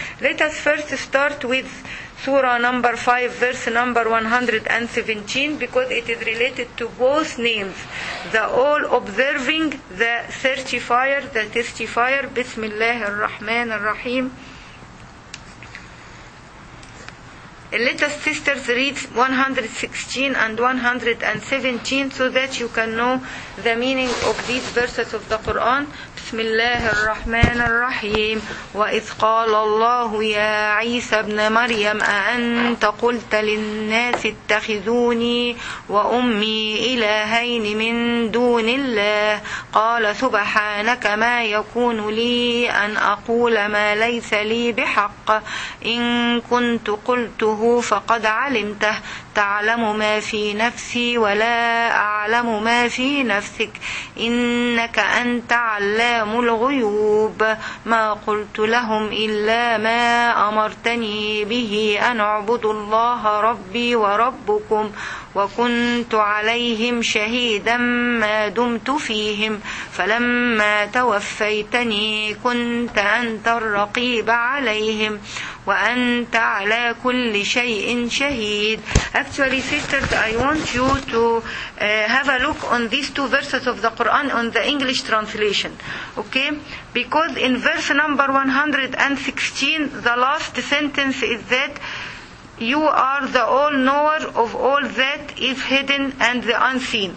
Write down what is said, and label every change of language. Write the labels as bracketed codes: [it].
[en] Let us first start with Surah number 5, verse number 117, because it is related to both names, the all-observing, the certifier, the testifier. Bismillah ar-Rahman ar-Rahim. Let us, sisters, read 116 and 117 so that you can know the meaning of these verses of the Quran. [ar] بسم الله الرحمن الرحيم وإذ قال الله يا عيسى ابن مريم أأنت قلت للناس اتخذوني وأمي إلهين من دون الله قال سبحانك ما يكون لي أن أقول ما ليس لي بحق إن كنت قلته فقد علمته تعلم ما في نفسي ولا أعلم ما في نفسك إنك أنت علام الغيوب ما قلت لهم إلا ما أمرتني به أن أعبدوا الله ربي وربكم وكنت عليهم شهيدا ما دمت فيهم فلما توفيتني كنت أنت الرقيب عليهم وأنت على كل شيء شهيد. [en] Actually, sisters, I want you to have a look on these two verses of the Quran on the English translation. Okay? Because in verse number 116, the last sentence is that you are the all-knower of all that is hidden and the unseen.